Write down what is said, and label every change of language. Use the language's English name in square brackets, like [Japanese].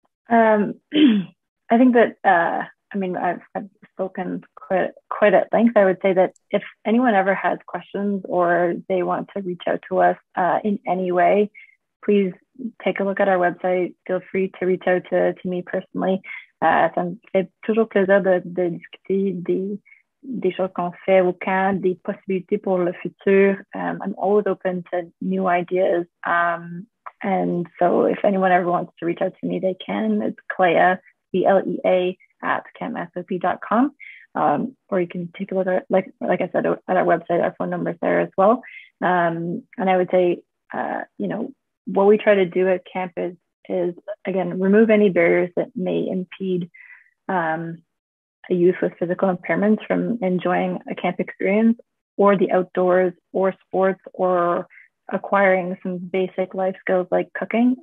[English] I think that, I've spoken quite at length. I would say that if anyone ever has questions or they want to reach out to us in any way, please take a look at our website. Feel free to reach out to me personally. [French] Ça me fait toujours plaisir de discuter des choses qu'on fait au camp, des possibilités pour le futur. [English] I'm always open to new ideas. And so if anyone ever wants to reach out to me, they can. It's Clea, C-L-E-A, @campmasop.com. Or you can take a look at, like I said, at our website, our phone number there as well. And I would say, what we try to do at camp is again, remove any barriers that may impede a youth with physical impairments from enjoying a camp experience or the outdoors or sports or acquiring some basic life skills like cooking.